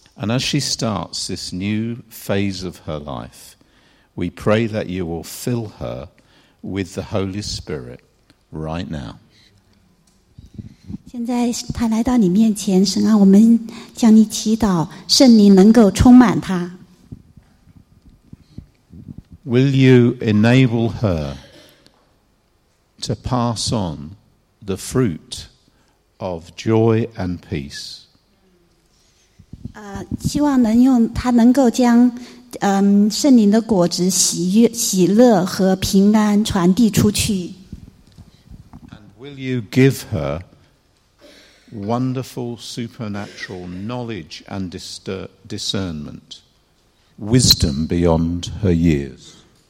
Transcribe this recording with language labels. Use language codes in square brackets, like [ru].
[en] as she starts this new phase of her life, we pray that you will fill her with the Holy Spirit right now. [zh] 现在他来到你面前，神啊，我们向你祈祷，圣灵能够充满他。 [en] Will you enable her to pass on the fruit of joy and peace? [zh] 希望能用她能够将圣灵的果子喜悦、喜乐和平安传递出去。 [en] And will you give her wonderful supernatural knowledge and discernment, wisdom beyond her years?